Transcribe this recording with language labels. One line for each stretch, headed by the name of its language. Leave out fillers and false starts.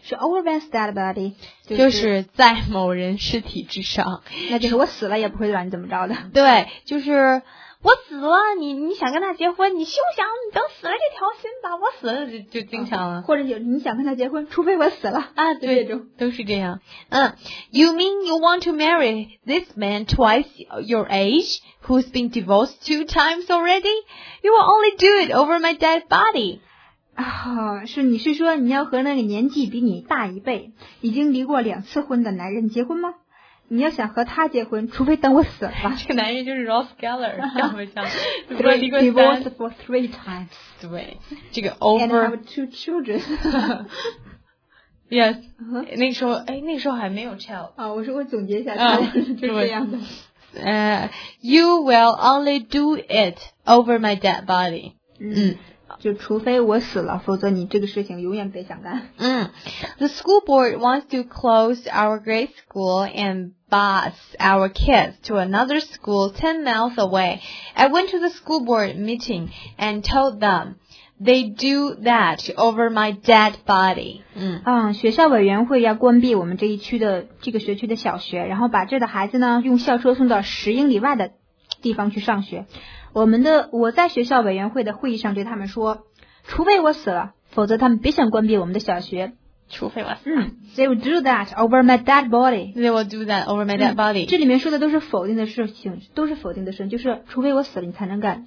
English: 是 over one's dead body,
Chinese: 就是在某人尸体之上，那就是我死了也不会让你怎么着的。对，就是我死了，你想跟他结婚，你休想，你等死了这条心吧，我死了就经常了。或者就你想跟他结婚，除非我死了啊，对，这种都是这样。
English: You mean you want to marry this man twice your age who's been divorced two times already? You will only do it over my dead body.
Chinese: 啊、哦，是你是说你要和那个年纪比你大一倍、已经离过两次婚的男人结婚吗？你要想和他结婚，除非等我死了吧。这个男人就是 Ross Geller， 像不像？
English: divorced for three times。
Chinese: 对，这个 over。
English: And I have two children. Yes.、
Chinese: 那时候，哎，那时候还没有 child。啊，我说我总结一下，就是这样的。
English: You will only do it over my dead body. 嗯。
Chinese: 就除非我死了，否则你这个事情永远别想干。
English: 嗯 ，The school board wants to close our grade school and bus our kids to another school 10 miles away. I went to the school board meeting and told them they do that over my dead body.
Chinese: 学校委员会要关闭我们这一区的这个学区的小学，然后把这的孩子呢用校车送到10英里外的地方去上学。我在学校委员会的会议上对他们说，除非我死了，否则他们别想关闭我们的小学。除非我死了。
English: They will do that over my dead body. They will do that over my dead body.、
Chinese: 这里面说的都是否定的事情，都是否定的事情，就是除非我死了你才能干。